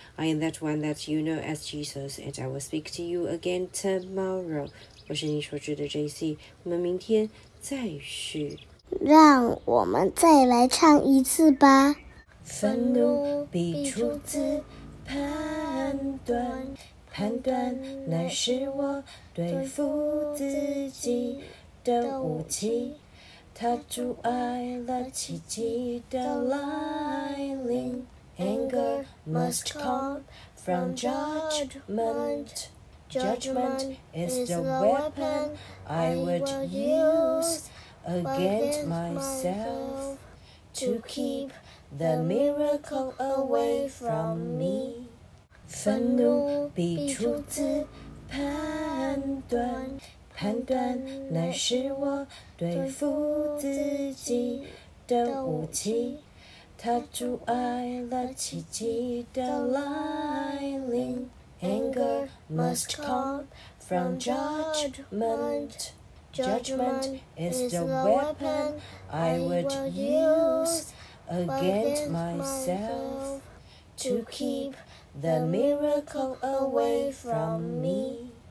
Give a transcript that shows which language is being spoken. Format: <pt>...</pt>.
<en>I am that one that you know as Jesus and I will speak to you again tomorrow.</en> <zh>我是你所知的 JC, 我们明天再续，让我们再来唱一次吧。愤怒必出自判断，判断乃是我对付自己的武器，它阻碍了奇迹的来临。</zh> <en>Anger must come from judgment. Judgment is the weapon I would use against myself to keepThe miracle away from me.</en> <zh>愤怒必出自判断，判断乃是我对付自己的武器，它阻碍了奇迹的来临。</zh> <en>Anger must come from judgment. Judgment is the weapon I would useAgainst myself to keep the miracle away from me.</en>